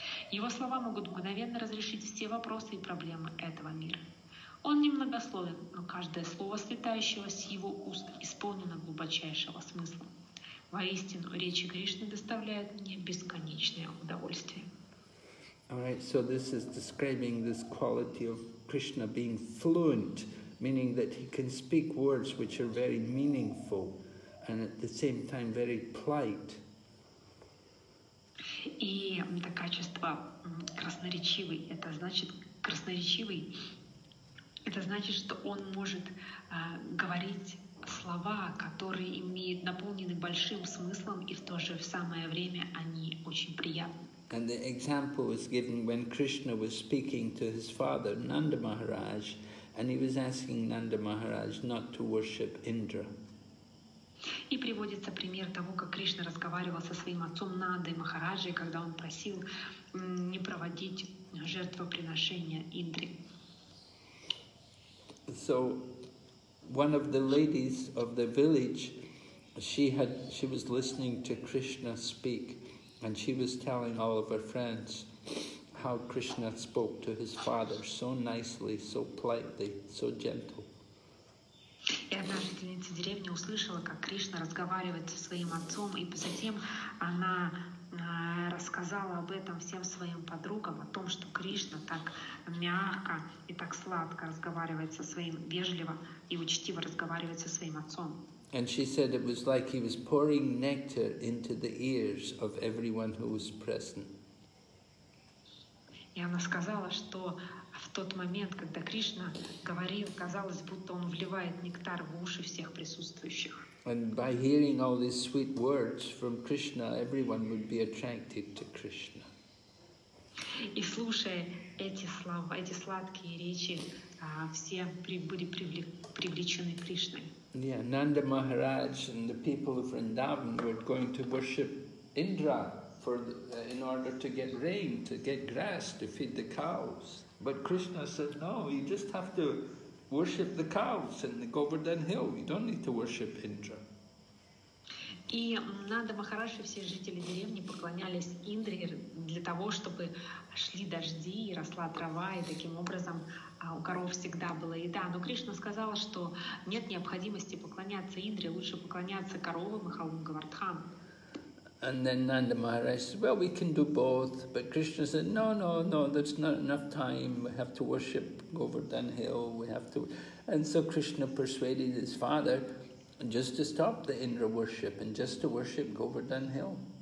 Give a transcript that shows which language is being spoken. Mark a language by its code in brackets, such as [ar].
[ru] Его слова могут мгновенно разрешить все вопросы и проблемы этого мира. Он немногословен, но каждое слово, слетающее с его уст, исполнено глубочайшего смысла. Воистину, речи Кришны доставляют мне бесконечное удовольствие. [en] All right, so this is describing this quality of Krishna being fluent, meaning that he can speak words which are very meaningful and at the same time very polite. [ru] И это качество красноречивый. Это значит красноречивый. Это значит, что он может говорить слова, которые имеют наполнены большим смыслом, и в то же самое время они очень приятны. [en] And the example was given when Krishna was speaking to his father, Nanda Maharaj, and he was asking Nanda Maharaj not to worship Indra. [ru] И приводится пример того, как Кришна разговаривал со своим отцом Нандой Махараджей, когда он просил не проводить жертвоприношение Индре. [en] So, one of the ladies of the village, she was listening to Krishna speak, and she was telling all of her friends how Krishna spoke to his father so nicely, so politely, so gentle. [ru] И одна жительница деревни услышала, как Кришна разговаривает со своим отцом, и затем она рассказала об этом всем своим подругам, о том, что Кришна так мягко и так сладко разговаривает со своим, вежливо и учтиво разговаривает со своим отцом. [en] And she said it was like he was pouring nectar into the ears of everyone who was present. [ru] И она сказала, что в тот момент, когда Кришна говорил, казалось, будто он вливает нектар в уши всех присутствующих. [en] And by hearing all these sweet words from Krishna, everyone would be attracted to Krishna. [ru] И слушая эти слова, эти сладкие речи, все были привлечены Кришной. [en] Yeah, Nanda Maharaj and the people of Vrindavan were going to worship Indra for the, in order to get rain, to get grass, to feed the cows. But Krishna said, no, you just have to worship the cows in the Govardhan Hill. You don't need to worship Indra. [ru] И Нанда Махарадж и все жители деревни поклонялись Индре для того, чтобы шли дожди и росла трава, и таким образом у коров всегда была еда. Но Кришна сказала, что нет необходимости поклоняться Индре, лучше поклоняться коровам и холмам Говардхан. [en] And then Нанда Махарадж said, well, we can do both. But Krishna said, no, no, no, that's not enough time. We have to worship Govardhan Hill. We have to... And so Krishna persuaded his father just to stop the Indra worship and just to worship Govardhan Hill.